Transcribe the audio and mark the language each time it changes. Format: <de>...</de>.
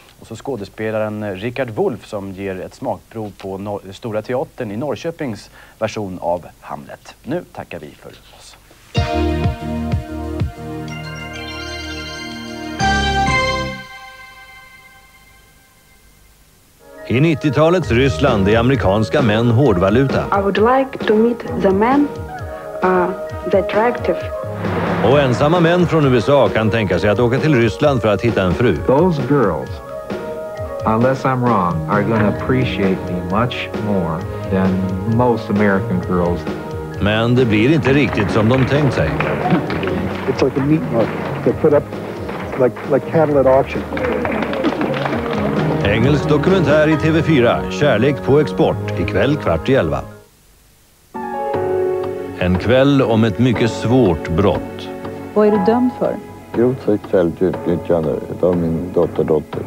<sv>Och så skådespelaren Richard Wolff som ger ett smakprov på Stora Teatern i Norrköpings version av Hamlet. Nu tackar vi för oss. I 90-talets Ryssland är amerikanska män hårdvaluta.</sv> <en>I would like to meet the man, the attractive.</en> <sv>Och ensamma män från USA kan tänka sig att åka till Ryssland för att hitta en fru.</sv> <en>Those girls, unless I'm wrong, are going to appreciate me much more than most American girls.</en> <sv>Men det blir inte riktigt som de tänkt sig.</sv> <en>It's like a meat market. They're put up like cattle at auction.</en> <sv>Engelsk dokumentär i TV4, Kärlek på export, ikväll 22:45. En kväll om ett mycket svårt brott. Vad är du dömd för? Grovt sexuellt utnyttjande av min dotter.</sv>